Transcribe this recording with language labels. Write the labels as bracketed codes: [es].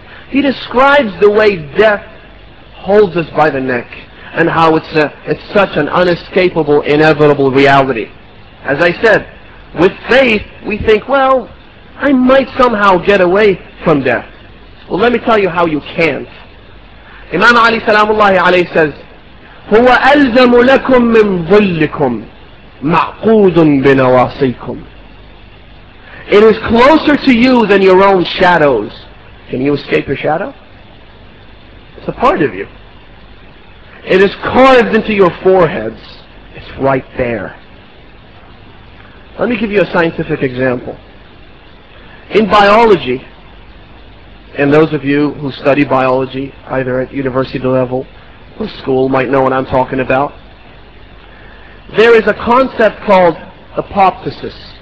[en] He describes the way death holds us by the neck and how it's such an unescapable, inevitable reality. As I said, with faith, we think, well, I might somehow get away from death. Well, let me tell you how you can't. Imam Ali salamullahi alayhi says, [ar] هُوَ أَلْزَمُ لَكُمْ مِنْ ظُلِّكُمْ مَعْقُودٌ بِنَوَاصِيكُمْ. [en] It is closer to you than your own shadows. Can you escape your shadow? It's a part of you. It is carved into your foreheads. It's right there. Let me give you a scientific example. In biology, and those of you who study biology, either at university level or school, might know what I'm talking about, there is a concept called apoptosis.